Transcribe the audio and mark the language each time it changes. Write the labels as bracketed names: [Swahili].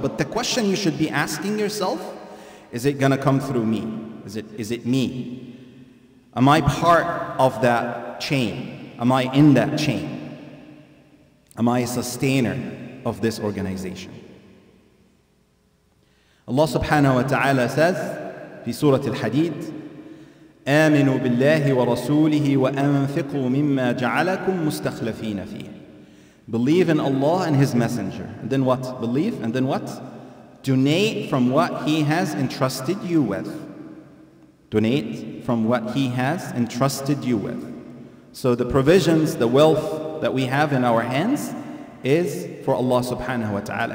[English] But the question you should be asking yourself, is it gonna come through me? Is it me? Am I part of that chain? Am I in that chain? Am I a sustainer of this organization? Allah subhanahu wa ta'ala says [Arabic] في سورة الحديد آمنوا بالله ورسوله وأنفقوا مما جعلكم مستخلفين فيه. [English] Believe in Allah and His Messenger. And then what? Believe and then what? Donate from what He has entrusted you with. Donate from what He has entrusted you with. So the provisions, the wealth that we have in our hands is for Allah subhanahu wa ta'ala.